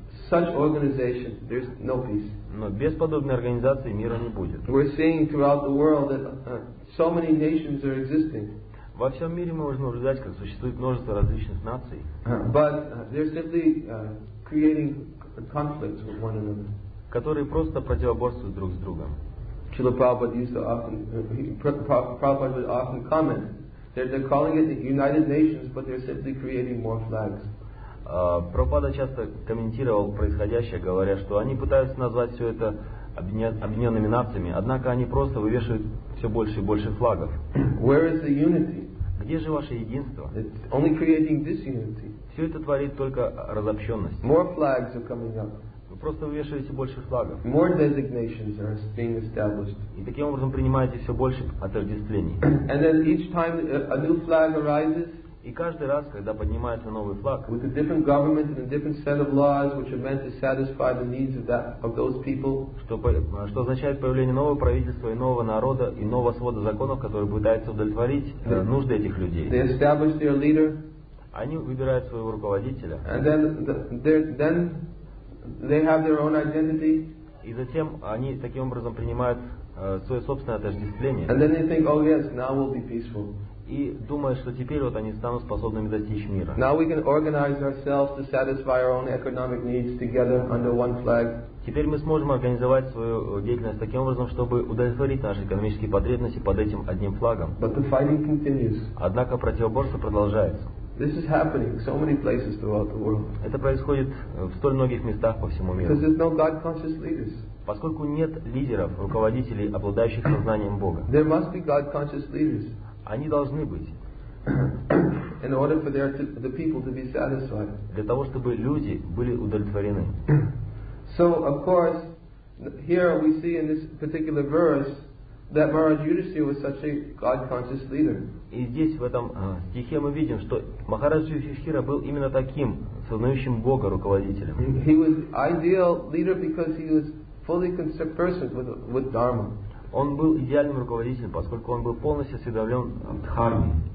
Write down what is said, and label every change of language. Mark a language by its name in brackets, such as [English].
[English] Such organization, there's no peace. [Russian] Но без подобной организации мира не будет. [English] We're seeing throughout the world that so many nations are existing. [Russian] Во всем мире мы можем наблюдать, как существует множество различных наций. [English] But they're simply creating conflicts with one another. [Russian] Которые просто противоборствуют друг с другом. [English] Srila Prabhupada used to often, Prabhupada would often comment that they're calling it the United Nations, but they're simply creating more flags. [Russian] Прабхупада часто комментировал происходящее, говоря, что они пытаются назвать все это объединенными нациями, однако они просто вывешивают все больше и больше флагов. [English] Where is the unity? [Russian] Где же ваше единство? [English] It's only creating disunity. [Russian] Все это творит только разобщенность. [English] More flags are coming up. [Russian] Вы просто вывешиваете больше флагов. [English] More designations are being established. [Russian] И таким образом принимаете все больше отождествлений. [English] And then each time a new flag arises, [Russian] и каждый раз, когда поднимается новый флаг, [English] with a different government and a different set of laws, which are meant to satisfy the needs of that of those people, [Russian] что означает появление нового правительства и нового народа и нового свода законов, который пытается удовлетворить нужды этих людей. [English] They establish their leader. [Russian] Они выбирают своего руководителя. [English] And then then they have their own identity. [Russian] И затем они таким образом принимают свое собственное отождествление. [English] And then they think, oh yes, now we'll be peaceful. [Russian] И думая, что теперь вот они станут способными достичь мира. [English] Now we can organize ourselves to satisfy our own economic needs together under one flag. [Russian] Теперь мы сможем организовать свою деятельность таким образом, чтобы удовлетворить наши экономические потребности под этим одним флагом. [English] But the fighting continues. [Russian] Однако противоборство продолжается. [English] This is happening in so many places throughout the world. [Russian] Это происходит в столь многих местах по всему миру. [English] Because there's no God-conscious leaders. [Russian] Поскольку нет лидеров, руководителей, обладающих сознанием Бога. [English] There must be God-conscious leaders. [Russian] Они должны быть. [English] In order for the people to be satisfied. [Russian] Для того, чтобы люди были удовлетворены. [English] So, of course, here we see in this particular verse that Maharaj Yudhisthira was such a God-conscious leader. [Russian] И здесь, в этом стихе, мы видим, что Махарадж Юдхиштхира был именно таким, сознающим Бога руководителем. [English] He was ideal leader because he was fully conversant with Dharma. [Russian] Он был идеальным руководителем, поскольку он был полностью осведомлен в дхарме.